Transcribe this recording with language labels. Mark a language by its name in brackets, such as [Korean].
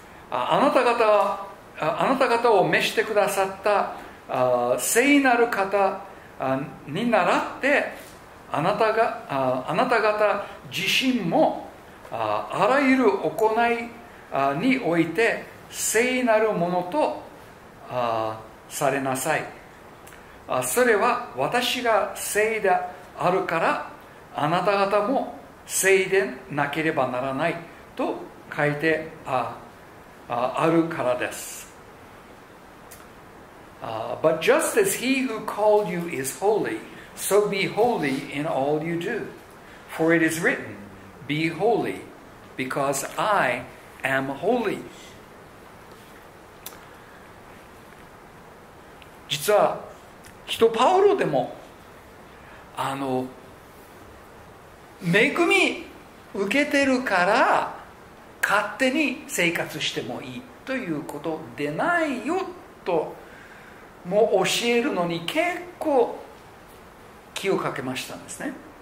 [Japanese] あなた方を召してくださった聖なる方に習って、あなた方自身もあらゆる行いにおいて聖なるものとされなさい。それは私が聖であるからあなた方も聖でなければならないと書いてあるからです。 [English] But just as he who called you is holy, so be holy in all you do. For it is written, Be holy, because I am holy. [Japanese] 実は人パウロでも恵み受けてるから勝手に生活してもいいということでないよとも教えるのに結構気をかけましたんですね。